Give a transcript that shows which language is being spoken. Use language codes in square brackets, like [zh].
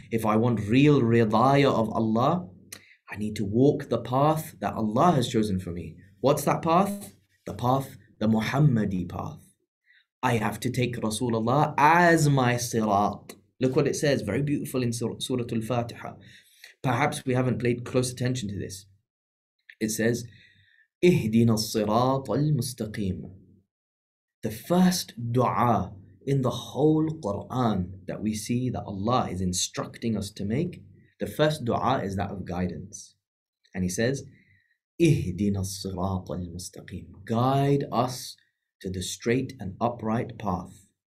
[en] If I want real ridaya of Allah, I need to walk the path that Allah has chosen for me. What's that path? The path, the Muhammadi path. I have to take Rasulullah as my sirat. Look what it says, very beautiful in Surah Al-Fatiha. Perhaps we haven't paid close attention to this. It says, [ar] اهدنا الصراط المستقيم. [en] The first dua in the whole Quran that we see that Allah is instructing us to make, the first dua is that of guidance. And he says, [ar] اهدنا الصراط المستقيم. [en] Guide us to the straight and upright path.